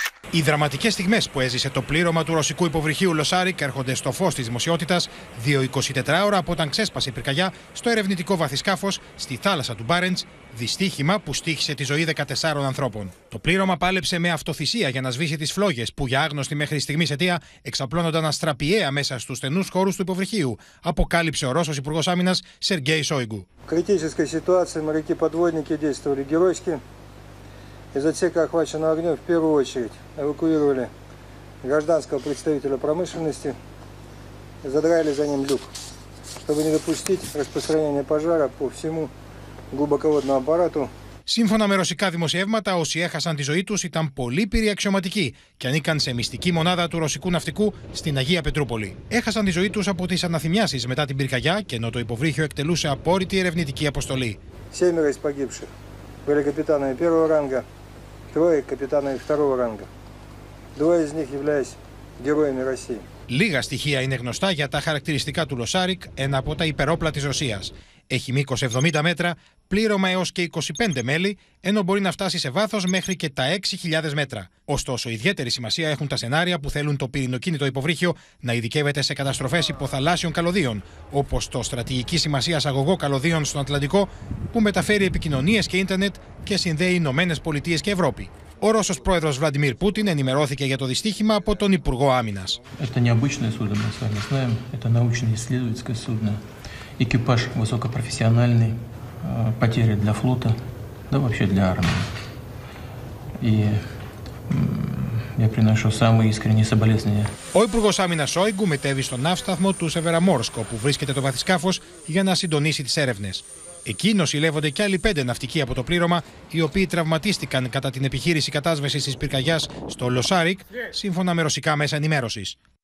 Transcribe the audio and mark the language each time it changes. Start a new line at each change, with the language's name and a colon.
Greek: Οι δραματικές στιγμές που έζησε το πλήρωμα του ρωσικού υποβρυχίου Λοσάρικ έρχονται στο φως της δημοσιότητας 2-24 ώρα από όταν ξέσπασε η πυρκαγιά στο ερευνητικό βαθυσκάφος στη θάλασσα του Μπάρεντς, δυστύχημα που στήχησε τη ζωή 14 ανθρώπων. Το πλήρωμα πάλεψε με αυτοθυσία για να σβήσει τις φλόγες που για άγνωστη μέχρι στιγμής αιτία εξαπλώνονταν αστραπιαία μέσα στους στενούς χώρους του υποβρυχίου, αποκάλυψε ο Ρώσος Υπουργός Άμυνας Σεργέι Σόιγκου.
Russian: Κριτική σιτουάτσια, μερικοί подводники действовали геройски. Из отсека, охваченного огнем, в первую очередь эвакуировали гражданского представителя промышленности, задраили за ним люк, чтобы не допустить распространения пожара по всему глубоководному аппарату.
Greek: Σύμφωνα με ρωσικά δημοσιεύματα, όσοι έχασαν τη ζωή τους ήταν πολύπειροι αξιωματικοί και ανήκαν σε μυστική μονάδα του ρωσικού ναυτικού στην Αγία Πετρούπολη. Έχασαν τη ζωή τους από τις αναθυμιάσεις μετά την πυρκαγιά, και ενώ το υποβρύχιο εκτελούσε απόρριτη ερευνητική αποστολή.
Russian: Семеро из погибших были капитанами первого ранга, трое капитанами второго ранга. Двое из них являются героями России.
Greek: Λίγα στοιχεία είναι γνωστά για τα χαρακτηριστικά του Λοσάρικ, ένα από τα υπερόπλα της Ρωσίας. Έχει μήκος 70 μέτρα, πλήρωμα έως και 25 μέλη, ενώ μπορεί να φτάσει σε βάθος μέχρι και τα 6.000 μέτρα. Ωστόσο, ιδιαίτερη σημασία έχουν τα σενάρια που θέλουν το πυρηνοκίνητο υποβρύχιο να ειδικεύεται σε καταστροφές υποθαλάσσιων καλωδίων, όπως το στρατηγική σημασία αγωγό καλωδίων στον Ατλαντικό, που μεταφέρει επικοινωνίες και ίντερνετ και συνδέει Ηνωμένες Πολιτείες και Ευρώπη. Ο Ρώσος πρόεδρος Βλαντιμίρ Πούτιν ενημερώθηκε για το δυστύχημα από τον Υπουργό Άμυνας.
Russian: Это необычное судно, мы с вами знаем. Это научно-исследовательское судно. Экипаж высокопрофессиональный. Потери для флота, да вообще для армии. И я приношу самые искренние соболезнования.
Greek: Ο Υπουργός Άμυνας Σόιγκου μετέβη στον ναύσταθμο του Σεβεραμόρσκο, που βρίσκεται το βαθυσκάφος, για να συντονίσει τις έρευνες. Εκεί νοσηλεύονται και άλλοι 5 ναυτικοί από το πλήρωμα, οι οποίοι τραυματίστηκαν κατά την επιχείρηση κατάσβεσης της πυρκαγιάς στο Λοσάρικ, σύμφωνα με ρωσικά μέσα ενημέρωσης.